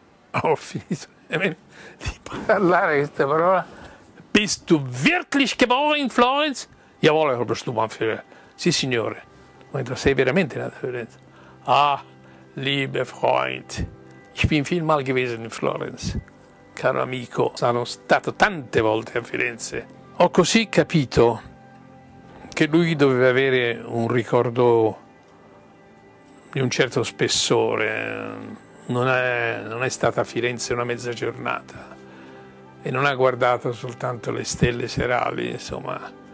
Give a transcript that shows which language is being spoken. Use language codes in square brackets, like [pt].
[it] Ho finito di parlare questa parola. [de] Bist du wirklich geboren in Florence? Jawohl, Herr Bestubanführer. [it] Sì, signore. Ma sei veramente nato a Florence? [de] Ah, liebe Freund. Ich bin viel mal gewesen in Florence. [it] Caro amico, sono stato tante volte a Firenze. Ho così capito che lui doveva avere un ricordo di un certo spessore. Non è stata a Firenze una mezza giornata e non ha guardato soltanto le stelle serali, insomma.